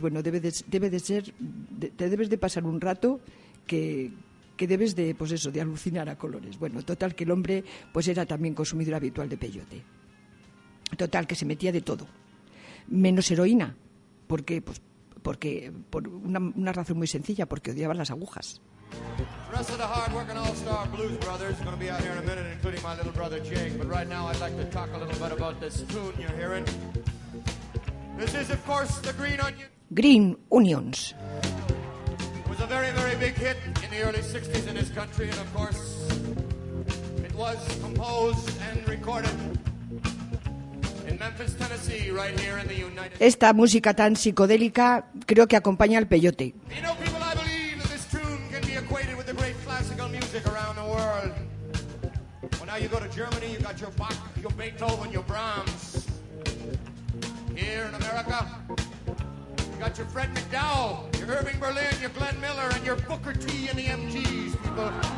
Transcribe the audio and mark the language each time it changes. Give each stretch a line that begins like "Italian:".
Spanish: Bueno, debes de pasar un rato que debes de, pues eso, de alucinar a colores. Bueno, total, que el hombre pues era también consumidor habitual de peyote. Total, que se metía de todo, menos heroína. ¿Por qué? Pues porque, por una razón muy sencilla, porque odiaba las agujas.
English: The rest of the hard-working all-star blues brothers are going to be out here in a minute, including my little brother Jake. But right now I'd like to talk a little bit about this tune you're hearing. This is, of course, the Green Onion. Green Onions. It was a very, very big hit in the early 60s in this country, and of course it was composed and recorded in Memphis, Tennessee, right here in the United States.
Spanish: Esta música tan psicodélica creo que acompaña al peyote.
English: You know, people, I believe that this tune can be equated with the great classical music around the world. Well, now you go to Germany, you got your Bach, your Beethoven, your Brahms. Here in America, you got your Fred McDowell, your Irving Berlin, your Glenn Miller, and your Booker T and the MGs, people.